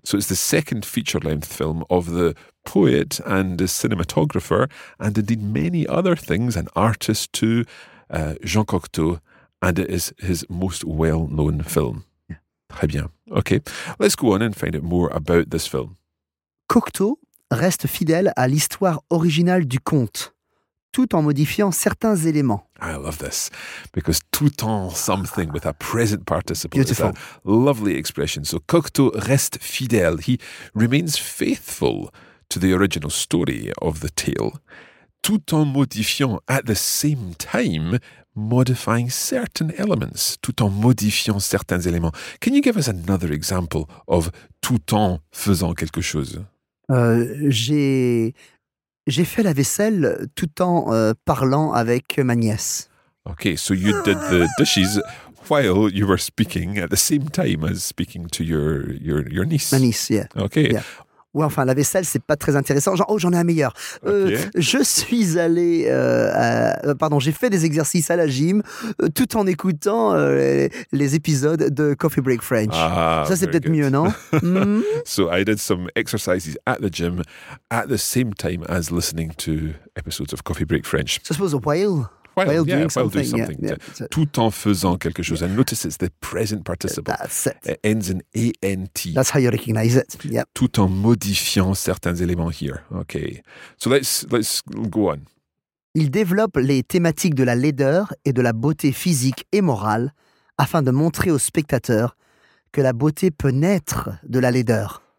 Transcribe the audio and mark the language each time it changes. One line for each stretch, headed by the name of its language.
English: So, it's the second feature length film of the poet and the cinematographer and indeed many other things, an artist too, Jean Cocteau. And it is his most well-known film. Yeah.
French: Très bien.
English: Okay, let's go on and find out more about this film.
French: Cocteau reste fidèle à l'histoire originale du conte, tout en modifiant certains éléments.
English: I love this, because tout en something with a present participle is a lovely expression.
French: So Cocteau reste fidèle.
English: He remains faithful to the original story of the tale, tout en modifiant at the same time modifying certain elements,
French: tout en modifiant certains éléments.
English: Can you give us another example of
French: tout en faisant quelque chose? J'ai fait la vaisselle tout en parlant avec ma nièce.
English: Okay, so you did the dishes while you were speaking at the same time as speaking to your niece.
French: Ma niece, yeah.
English: Okay. Yeah.
French: Ouais, enfin, la vaisselle, c'est pas très intéressant. Genre, oh, j'en ai un meilleur. Okay. Je suis allé, j'ai fait des exercices à la gym tout en écoutant les épisodes de Coffee Break French. Ça, c'est peut-être mieux, non?
English: So, I did some exercises at the gym at the same time as listening to episodes of Coffee Break French. So, I suppose while doing something.
French: Tout en faisant quelque chose.
English: Yeah. And notice it's the present participle. That's it. It ends in A-N-T. That's how you recognize it. Yep.
French: Tout en modifiant certains éléments here.
English: Okay. So let's go on.
French: Il développe les thématiques de la laideur et de la beauté physique et morale afin de montrer aux spectateurs que la beauté peut naître de la laideur.